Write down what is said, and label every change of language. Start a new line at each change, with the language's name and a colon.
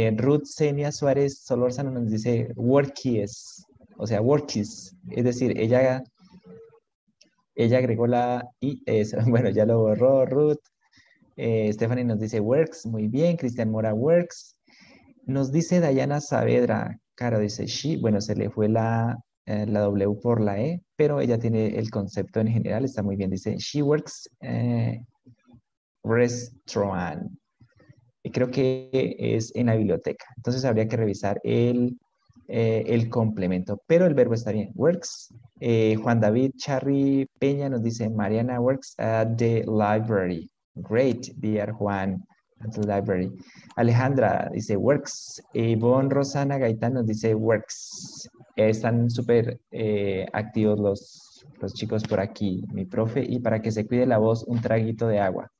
Spanish: Ruth Zenia Suárez Solórzano nos dice, workies, o sea, workies, es decir, ella agregó la I, bueno, ya lo borró, Ruth. Stephanie nos dice works, muy bien. Cristian Mora, works. Nos dice Dayana Saavedra, claro, dice she, bueno, se le fue la W por la E, pero ella tiene el concepto en general, está muy bien. Dice
English: she works restaurant.
Spanish: Y creo que es en la biblioteca. Entonces habría que revisar el complemento, pero el verbo está bien, works.
English: Juan David Charri Peña
Spanish: nos dice
English: Mariana works at the library. Great, dear Juan, at the library.
Spanish: Alejandra dice works. Yvonne Rosana Gaitán nos dice works. Están súper activos los chicos por aquí, mi profe. Y para que se cuide la voz, un traguito de agua.